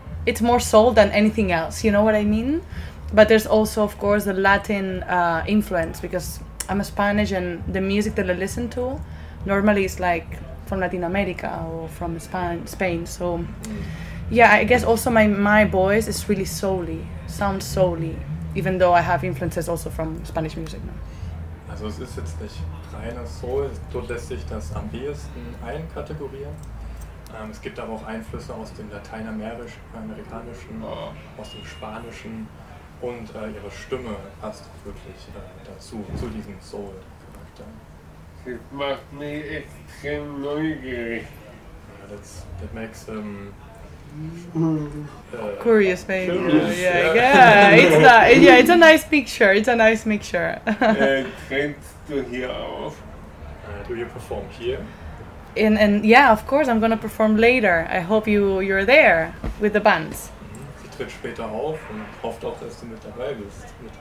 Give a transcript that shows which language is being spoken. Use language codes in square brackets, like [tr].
[en] It's more soul than anything else, you know what I mean? But there's also, of course, the Latin influence, because I'm a Spanish and the music that I listen to normally is like from Latin America or from Spain, so yeah, I guess also my voice is really soul-y, sounds soul-y, even though I have influences also from Spanish music now. [de] Also es ist jetzt nicht reines Soul, so lässt sich das am ehesten einkategorieren. Es gibt aber auch Einflüsse aus dem Lateinamerikanischen, aus dem Spanischen, und ihre Stimme passt wirklich dazu, zu diesem Soul-Charakter. Das macht mich extrem neugierig. [en] That makes him... curious, maybe. Yeah, it's a nice picture. It's a nice mixture. [de] Trainst du hier auf? [en] Do you perform here? And yeah, of course, I'm gonna perform later. I hope you're there with the bands. [de] Sie tritt später auf und hofft auch, dass du mit dabei bist.